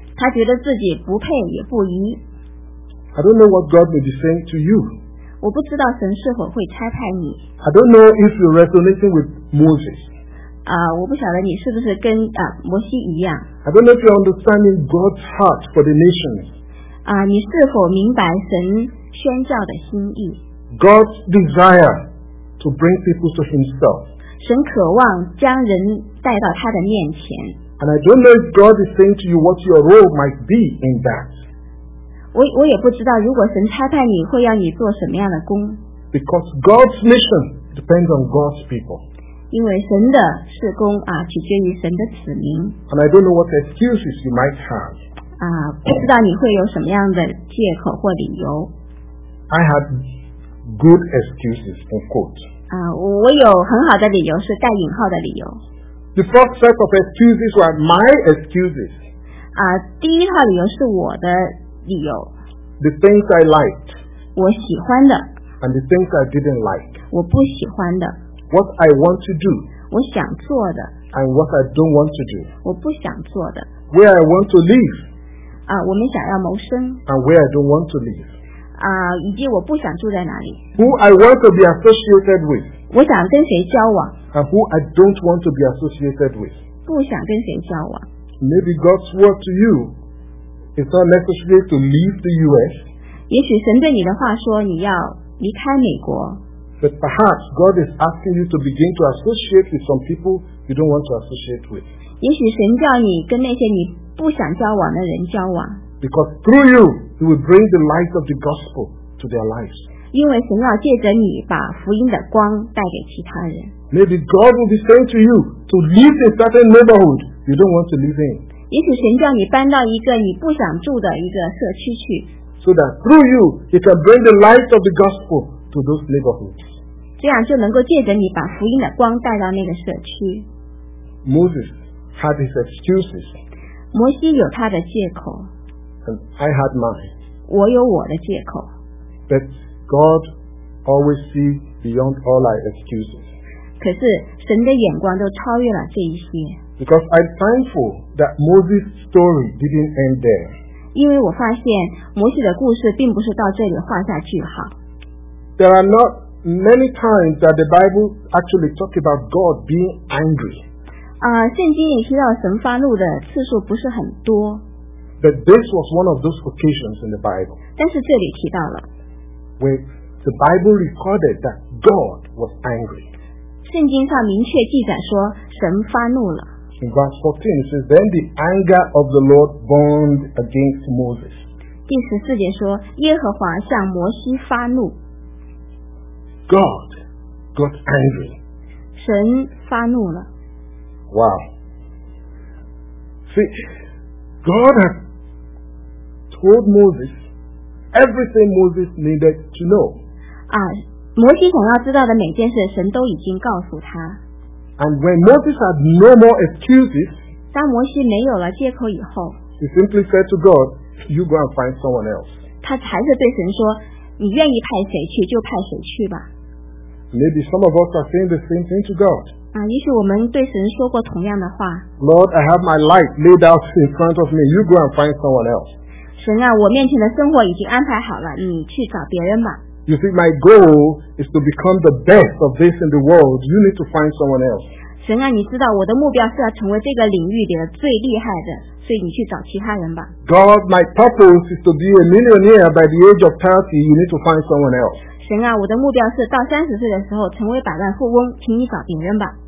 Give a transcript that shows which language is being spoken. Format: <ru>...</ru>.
<zh>他觉得自己不配也不宜。</zh> <en>I don't know what God may be saying to you.</en> <zh>我不知道神是否会拆派你。</zh> <en>I don't know if you're resonating with Moses.</en> <zh>我不晓得你是不是跟摩西一样。</zh> <en>I don't know if you're understanding God's heart for the nations.</en> <zh>你是否明白神宣教的心意？</zh> <en>God's desire to bring people to Himself.</en> <zh>神渴望将人带到他的面前。</zh> <en>And I don't know if God is saying to you what your role might be in that.</en> <zh>我也不知道，如果神差派你，会要你做什么样的工？</zh> <en>Because God's mission depends on God's people.</en> <zh>因为神的事工取决于神的子民。</zh> <en>And I don't know what excuses you might have.</en> <zh>不知道你会有什么样的借口或理由。</zh> <en>I had good excuses, in quotes.</en> <zh>我有很好的理由，是带引号的理由。</zh> <en>The first set of excuses were my excuses.</en> <zh>第一套理由是我的理由。</zh> <en>The things I liked.</en> <zh>我喜欢的。</zh> <en>And the things I didn't like.</en> <zh>我不喜欢的。</zh> <en>What I want to do,</en> <zh>我想做的</zh> <en>and what I don't want to do,</en> <zh>我不想做的</zh> <en>where I want to live,</en> <zh>我们想要谋生</zh> <en>and where I don't want to live,</en> <zh>以及我不想住在哪里</zh> <en>who I want to be associated with,</en> <zh>我想跟谁交往</zh> <en>and who I don't want to be associated with,</en> <zh>不想跟谁交往</zh> <en>Maybe God's word to you is not necessary to leave the U.S.</en> <zh>也许神对你的话说你要离开美国。</zh> <en>But perhaps God is asking you to begin to associate with some people you don't want to associate with.</en> <zh>也许神叫你跟那些你不想交往的人交往。</zh> <en>Because through you, He will bring the light of the gospel to their lives.</en> <zh>因为神要借着你把福音的光带给其他人。</zh> <en>Maybe God will be saying to you to leave a certain neighborhood you don't want to live in.</en> <zh>也许神叫你搬到一个你不想住的一个社区去。</zh> <en>So that through you, He can bring the light of the gospel. To those neighborhoods.</en> <zh>这样就能够借着你把福音的光带到那个社区。</zh> <en>Moses had his excuses.</en> <zh>摩西有他的借口。</zh> <en>And I had mine.</en> <zh>我有我的借口。</zh> <en>But God always sees beyond all our excuses.</en> <zh>可是神的眼光都超越了这一些。</zh> <en>Because I'm thankful that Moses' story didn't end there.</en> <zh>因为我发现摩西的故事并不是到这里画下句号。</zh> <en>There are not many times that the Bible actually talks about God being angry.</en> <zh>圣经里提到神发怒的次数不是很多。</zh> <en>But this was one of those occasions in the Bible.</en> <zh>但是这里提到了。</zh> <en>Where the Bible recorded that God was angry.</en> <zh>圣经上明确记载说神发怒了。</zh> <en>In verse 14, it says, "Then the anger of the Lord burned against Moses."</en> <zh>第十四节说，耶和华向摩西发怒。</zh> <en>God got angry.</en> <zh>神发怒了。</zh> <en>Wow. See, God had told Moses everything Moses needed to know.</en> <zh>摩西想要知道的每件事，神都已经告诉他。</zh> <en>And when Moses had no more excuses,</en> <zh>当摩西没有了借口以后，</zh> <en>he simply said to God, "You go and find someone else."</en> <zh>他还是对神说，你愿意派谁去就派谁去吧。</zh> <en>Maybe some of us are saying the same thing to God.</en> <zh>也许我们对神说过同样的话。</zh> <en>Lord, I have my life laid out in front of me. You go and find someone else.</en> <zh>神啊，我面前的生活已经安排好了，你去找别人吧。</zh> <en>You see, my goal is to become the best of this in the world. You need to find someone else.</en> <zh>神啊，你知道我的目标是要成为这个领域里的最厉害的，所以你去找其他人吧。</zh> <en>God, my purpose is to be a millionaire by the age of 30. You need to find someone else.</en> <zh>神啊，我的目标是到三十岁的时候成为百万富翁，请你找别人吧。</zh>